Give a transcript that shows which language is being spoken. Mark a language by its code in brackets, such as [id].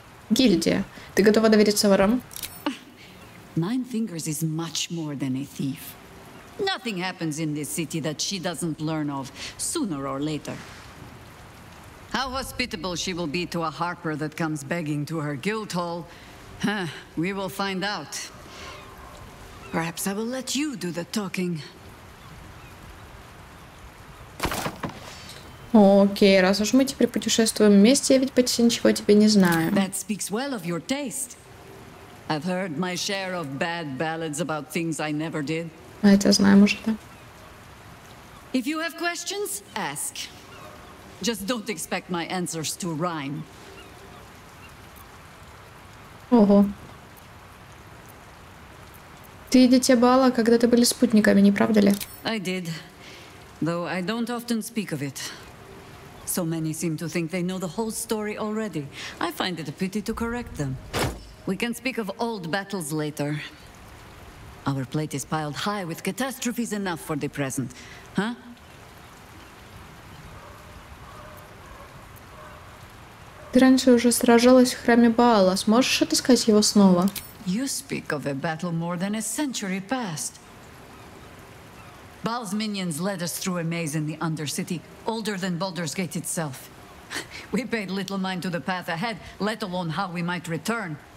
[ru] Гильдия, ты готова довериться ворам? [en] Nine Fingers is much more than a thief. Nothing happens in this city that she doesn't learn of, sooner or later. How hospitable she will be to a harper that comes begging to her guild hall, huh, we will find out. Perhaps I will let you do the talking. [ru] Окей, раз уж мы теперь путешествуем вместе, я ведь почти ничего о тебе не знаю. [en] That speaks well of your taste. I've heard my share of bad ballads about things I never did. [ru] Это знаю, может. [en] If you have questions, ask. Just don't expect my answers to rhyme. [ru] Ого. Ты и дитя Бала, когда ты были спутниками, не правда ли? [en] I did. Though I don't often speak of it. So many seem to think they know the whole story already. I find it a pity to correct them. We can speak of old battles later. Our plate is piled high with catastrophes enough for the present, huh? [ru] Ты раньше уже сражалась в храме Баала. Сможешь отыскать его снова? [en] You speak of a battle more than a century past. Baal's minions led us through a maze in the Undercity, older than Baldur's Gate itself. We paid little mind to the path ahead, let alone how we might return.